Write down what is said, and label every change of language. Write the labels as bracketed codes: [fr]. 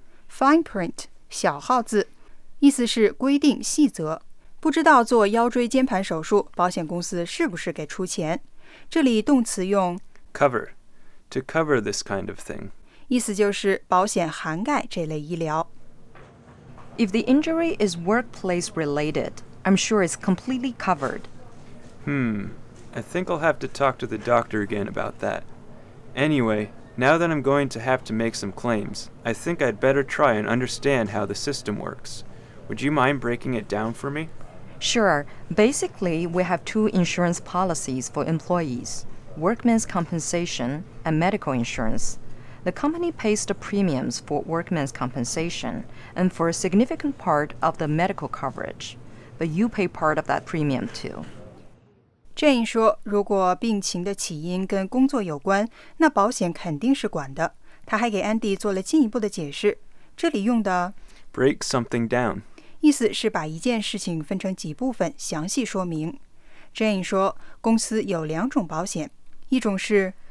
[zh] Fine print 小号字意思是规定细则不知道做腰椎间盘手术保险公司是不是给出钱这里动词用 [en] cover to cover this kind of thing [zh] 意思就是保险涵盖这类医疗 [en] If the injury is workplace related I'm sure it's completely covered I think I'll have to talk to the doctor again about that Anyway, now that I'm going to have to make some claims I think I'd better try and understand how the system works Would you mind breaking it down for me Sure. Basically, we have two insurance policies for employees, workmen's compensation and medical insurance. The company pays the premiums for workmen's compensation and for a significant part of the medical coverage. But you pay part of that premium too. [zh] Jane 说，如果病情的起因跟工作有关，那保险肯定是管的。他还给 Andy 做了进一步的解释。这里用的 [en] break something down， [zh] 意思是把一件事情分成几部分，详细说明。 Jane 说，公司有两种保险，一种是